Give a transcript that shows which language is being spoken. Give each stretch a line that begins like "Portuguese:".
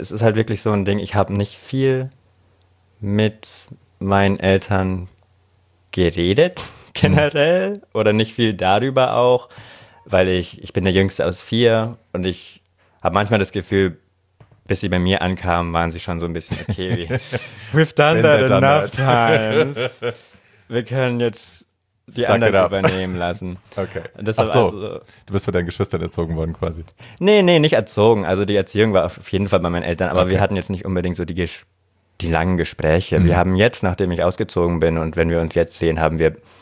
German: Es ist halt wirklich so ein Ding, ich habe nicht viel mit meinen Eltern geredet. Generell oder nicht viel darüber auch, weil ich bin der Jüngste aus vier und ich habe manchmal das Gefühl, bis sie bei mir ankamen, waren sie schon so ein bisschen okay.
English: We've done that enough times.
German: Wir können jetzt die anderen übernehmen lassen. Okay. Das war so. Also, du bist von deinen Geschwistern erzogen worden quasi. Nee, nicht erzogen. Also die Erziehung war auf jeden Fall bei meinen Eltern, aber wir hatten jetzt nicht unbedingt so die langen Gespräche. Mhm. Wir haben jetzt, nachdem ich ausgezogen bin und wenn wir uns jetzt sehen, haben wir